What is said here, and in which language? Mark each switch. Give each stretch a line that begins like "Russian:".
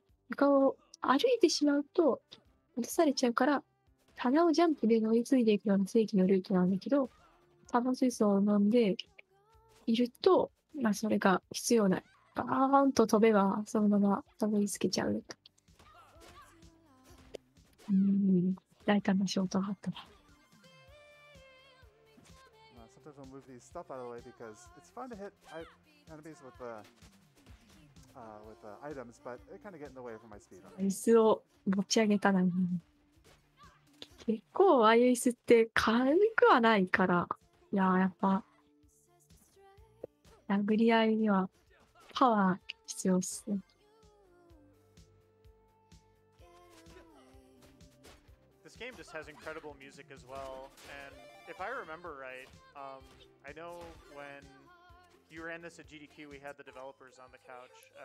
Japanese: 床を歩いてしまうと落とされちゃうから、棚をジャンプで乗り継いでいくような正規のルートなんだけど、タバ水槽を飲んでいると、まあ、それが必要ない。バーンと飛べばそのままたどり着けちゃう。大胆な仕事があったな。
English: Move these stuff out of the way because it's fun to hit enemies with the with the items, but it kind of get in the way of my speed.
Japanese: 椅子を持ち上げたな。結構ああいう椅子って軽くはないから、いやーやっぱ殴り合いにはパワー必要っすね。
English: This game just has incredible music as well, and if I remember right. I know when you ran this at GDQ, we had the developers on the couch.